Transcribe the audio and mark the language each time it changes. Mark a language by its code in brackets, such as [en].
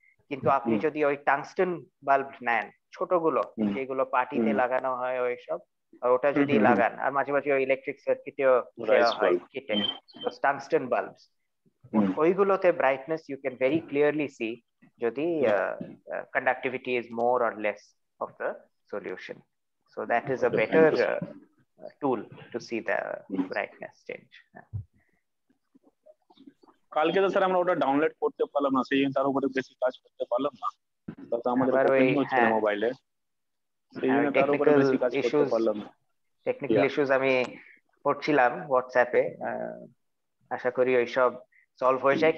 [bn] কিন্তু আপনি যদি ওই টাংস্টেন বাল্ব নেন ছোটগুলো যেগুলো পার্টিতে লাগানো হয় ওইসব, আর ওটা যদি লাগান, আর মাঝে মাঝে ওই ইলেকট্রিক সার্কিটেও কেটে tungsten bulb, ওইগুলোতে brightness [en] you can very clearly see [bn] যদি conductivity [en] Is more or less of the solution. So that is a better tool to see the brightness change. [bn] কালকে তো স্যার আমরা ওটা ডাউনলোড করতে পারলাম না, সেই জন্য তার উপরে বেশি কাজ করতে পারলাম না, তো আমাদের মোবাইলে সেই জন্য তার উপরে বেশি কাজ করতে পারলাম না। টেকনিক্যাল ইস্যুস আমি পড়ছিলাম হোয়াটসঅ্যাপে, আশা করি ওই সব সলভ হয়ে যায়।